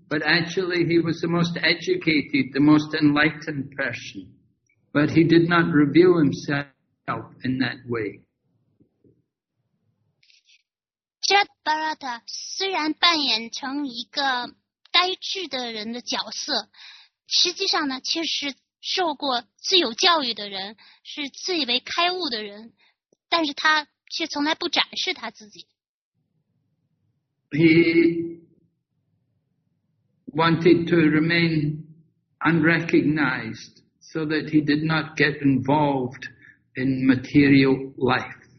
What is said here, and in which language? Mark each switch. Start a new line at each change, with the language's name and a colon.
English: But actually, he was the most educated, the most enlightened person. But he did not reveal himself in that way.
Chinese: Jud Bharat 虽然扮演成一个呆滞的人的角色，实际上呢，却是受过最有教育的人，是最为开悟的人，但是他却从来不展示他自己。
English: He wanted to remain unrecognized so that he did not get involved in material life.